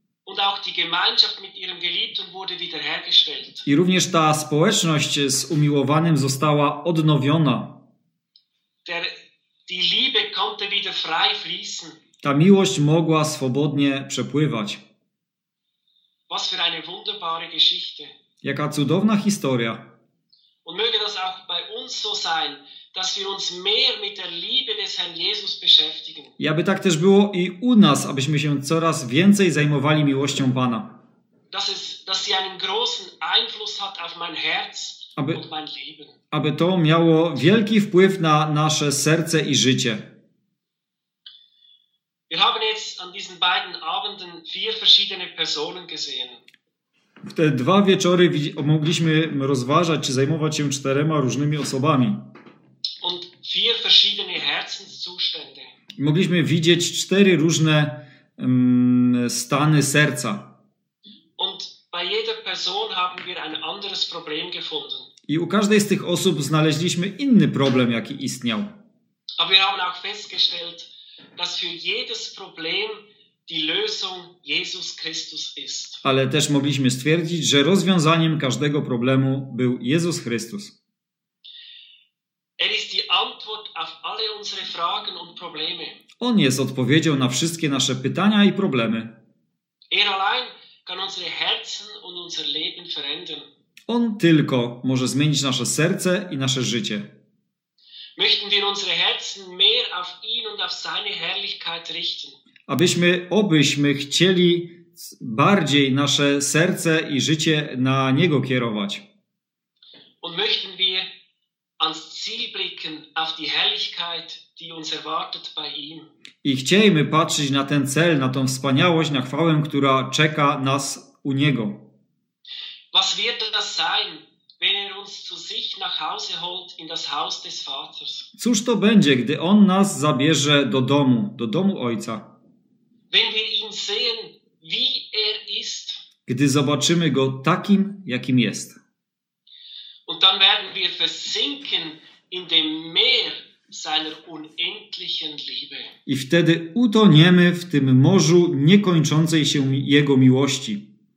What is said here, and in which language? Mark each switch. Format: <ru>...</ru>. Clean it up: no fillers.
<de>Und auch die Gemeinschaft mit ihrem Geliebten wurde wiederhergestellt.</de> <pl>I również ta społeczność z umiłowanym została odnowiona.</pl> <de>Die Liebe konnte wieder frei fließen.</de> <pl>Ta miłość mogła swobodnie przepływać.</pl> <de>Was für eine wunderbare Geschichte.</de> <pl>Jaka cudowna historia.</pl> <de>Und möge das auch bei uns so sein, dass wir uns mehr mit der Liebe des Herrn Jesus beschäftigen.</de> <pl>I aby tak też było i u nas, abyśmy się coraz więcej zajmowali miłością Pana.</pl> <de>Dass sie einen großen Einfluss hat auf mein Herz und mein Leben.</de> <pl>Aby to miało wielki wpływ na nasze serce i życie.</pl> <de>Wir haben jetzt an diesen beiden Abenden 4 verschiedene Personen gesehen.</de> <pl>W te 2 wieczory mogliśmy rozważać czy zajmować się 4 różnymi osobami.</pl> <de>Und 4 verschiedene Herzenszustände.</de> <pl>Mogliśmy widzieć 4 różne stany serca.</pl> <de>Und bei jeder Person haben wir ein anderes Problem gefunden.</de> <pl>I u każdej z tych osób znaleźliśmy inny problem, jaki istniał.</pl> <de>Aber wir haben auch festgestellt, dass für jedes Problem die Lösung Jesus Christus ist.</de> <pl>Ale też mogliśmy stwierdzić, że rozwiązaniem każdego problemu był Jezus Chrystus.</pl> <de>Er ist die Antwort auf alle unsere Fragen und Probleme.</de> <pl>On jest odpowiedzią na wszystkie nasze pytania i problemy.</pl> <de>Er allein kann unsere Herzen und unser Leben verändern.</de> <pl>On tylko może zmienić nasze serce i nasze życie.</pl> <de>Möchten wir unsere Herzen mehr auf ihn und auf seine Herrlichkeit richten?</de> <pl>Abyśmy chcieli bardziej nasze serce i życie na Niego kierować.</pl> <de>Und möchten wir ans Ziel blicken, auf die Herrlichkeit, die uns erwartet bei ihm.</de> <pl>I chciejmy patrzeć na ten cel, na tą wspaniałość, na chwałę, która czeka nas u Niego.</pl> <de>Was wird das sein, wenn er uns zu sich nach Hause holt in das Haus des Vaters?</de> <pl>Cóż to będzie, gdy On nas zabierze do domu Ojca?</pl> <de>Wenn wir ihn sehen, wie er ist.</de> <pl>Gdy zobaczymy Go takim, jakim jest.</pl> <de>Und dann werden wir versinken in dem Meer seiner unendlichen Liebe.</de> <pl>I wtedy utoniemy w tym morzu niekończącej się Jego miłości.</pl>